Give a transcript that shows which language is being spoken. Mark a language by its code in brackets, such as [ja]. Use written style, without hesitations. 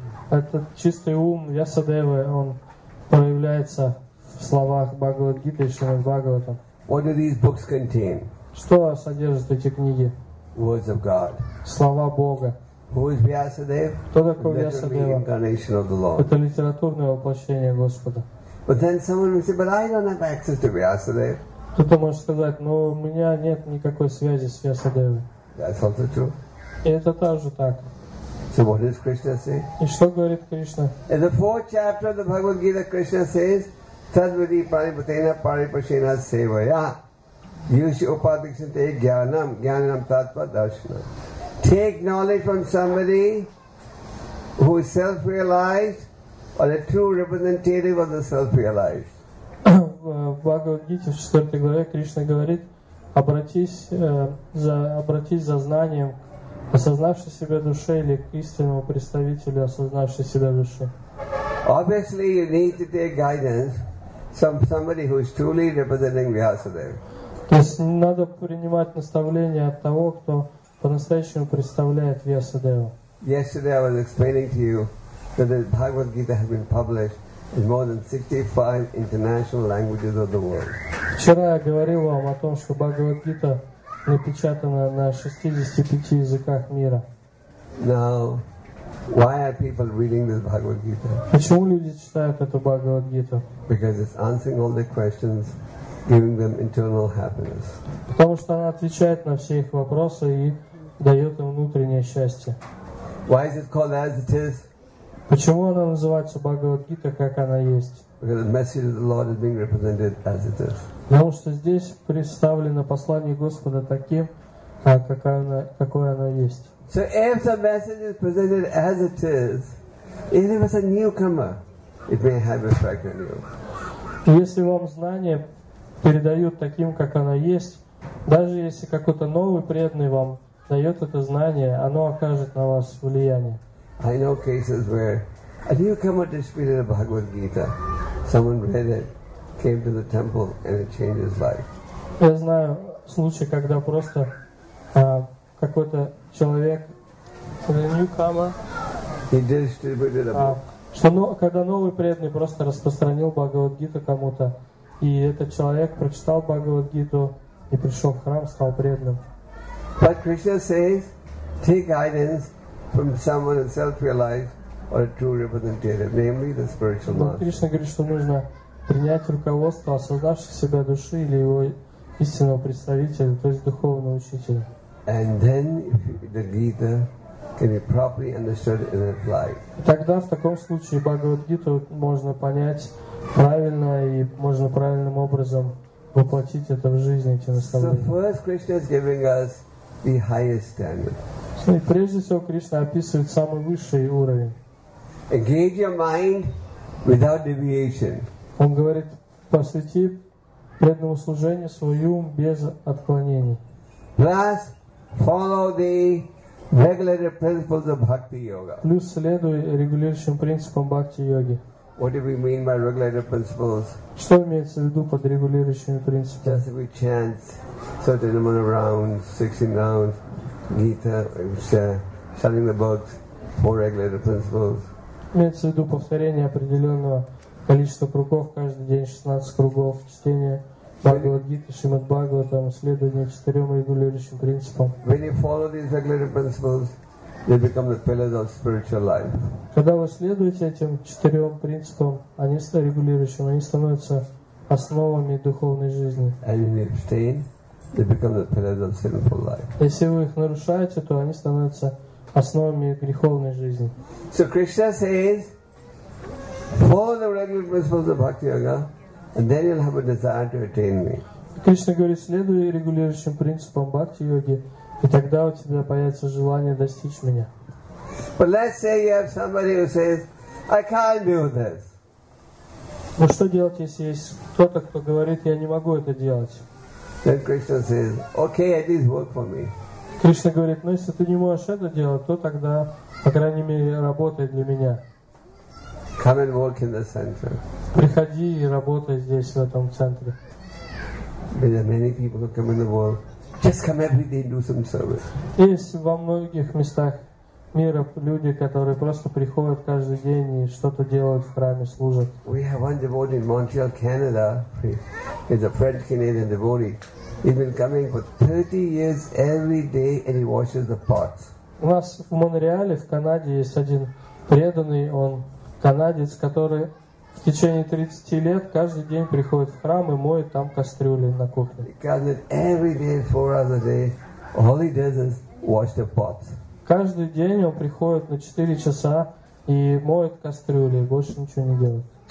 [ru] Этот чистый ум Vyasadeva, он проявляется в словах Бхагавад-гиты и Шримад-Бхагаватам. [en] What do these books contain? [ru] Что содержат эти книги? [en] Words of God. [ru] Слова Бога. [en] Who is Vyasadeva? [ru] Кто такой Vyasadeva? [en] The incarnation of the Lord. [ru] Это литературное воплощение Господа. [en] But then someone will say, but I don't have access to Vyasadeva. [ru] Кто-то может сказать, но у меня нет никакой связи с Vyasadeva. [en] That's also true. [ru] И это также так. [en] So what does Krishna say? [ru] И что говорит Кришна? [en] In the fourth chapter of the Bhagavad Gita, Krishna says, [sa] Tadvati Paripatena Paripashena Sevaya Yushi Upadikshante Jnanam Jnanam Tatva Darshana. [en] Take knowledge from somebody who is self-realized or a true representative of the self-realized. [ru] В Бхагавад-гите, в 4 главе, Кришна говорит, обратись за знанием осознавшей себя души или к истинному представителю осознавшей себя души. [en] Obviously, you need to take guidance somebody who is truly representing Vyasadeva. [ru] То есть не надо принимать наставления от того, кто по-настоящему представляет Vyasadeva. [en] Yesterday I was explaining to you that the Bhagavad Gita has been published in more than 65 international languages of the world. [ru] Вчера я говорил вам о том, что Бхагавад Гита напечатана на 65 языках мира. [en] Now, why are people reading this Bhagavad Gita? [ru] Почему люди читают эту Бхагавад Гиту? [en] Because it's answering all their questions, giving them internal happiness. [ru] Потому что она отвечает на все их вопросы и дает им внутреннее счастье. [en] Why is it called as it is? [ru] Почему она называется Бхагавад Гита, как она есть? [en] Because the message of the Lord is being represented as it is. [ru] Потому что здесь представлено послание Господа таким, какое оно есть. [en] So if the message is presented as it is, even if it's a newcomer, it may have effect on you. [ru] Если вам знания передают таким, как оно есть, даже если какой-то новый преданный вам дает это знание, оно окажет на вас влияние. [en] I know cases where a newcomer disputed a Bhagavad Gita. Someone read it, came to the temple, and it changed his life. [ru] Я знаю случай, когда просто какой-то человек, когда новый преданный просто распространил Бхагавад Гиту кому-то, и этот человек прочитал Бхагавад Гиту и пришел в храм, стал преданным. [en] But Krishna says, take guidance from someone in self-realized or a true representative, namely the spiritual master. [ru] Кришна говорит, что нужно принять руководство осознавшей себя души или его истинного представителя, то есть духовного учителя. [en] And then the Gita can be properly understood and applied. [ru] Тогда в таком случае Бхагавад Гиту можно понять правильно и можно правильным образом воплотить это в жизнь, эти наставления. [en] So first Krishna is giving us the highest standard. [ru] И прежде всего Кришна описывает самый высший уровень. [en] Engage your mind without deviation. [ru] Он говорит, посвяти преданному служению свой ум без отклонений. [en] Plus, follow the regulated principles of bhakti yoga. [ru] Плюс следуй регулирующим принципам бхакти йоги. [en] What do we mean by regulated principles? [ru] Что имеется в виду под регулирующими принципами? [en] Just we chant certain amount of rounds, 16 rounds, Gita, shutting the books, four regulated principles. [ru] Имеется в виду повторение определенного количества кругов каждый день, 16 кругов чтения. Бхагавад Гита, Шримад Бхагаватам, следование четырем регулирующим принципам. [en] When you follow these regulated principles, they become the pillars of spiritual life. [ru] Когда вы следуете этим четырем принципам, они становятся регулирующими, они становятся основами духовной жизни. [en] And when you abstain, they become the pillars of sinful life. [ru] Если вы их нарушаете, то они становятся основами греховной жизни. [en] So Krishna says, follow the regulated principles of Bhakti Yoga. And then you'll have a desire to attain me. [ru] Кришна говорит, следуй регулирующим принципам бхакти йоги, и тогда у тебя появится желание достичь меня. [en] But let's say you have somebody who says, I can't do this. [ru] Но что делать, если есть кто-то, кто говорит, я не могу это делать? [en] Then Krishna says, okay, at least work for me. [ru] Кришна говорит, ну если ты не можешь это делать, то тогда, по крайней мере, работай для меня. [en] Come and work in the center. [ru] Приходи и работай здесь, в этом центре. [en] There are many people who come in the world. Just come every day and do some service. [ru] Есть во многих местах мира люди, которые просто приходят каждый день и что-то делают в храме, служат. [en] We have one devotee in Montreal, Canada. He's a French-Canadian devotee. He's been coming for 30 years every day and he washes the pots. [ru] У нас в Монреале, в Канаде, есть один преданный, он канадец, который в течение 30 лет каждый день приходит в храм и моет там кастрюли на кухне. Каждый день он приходит на 4 часа и моет кастрюли, больше ничего не делает.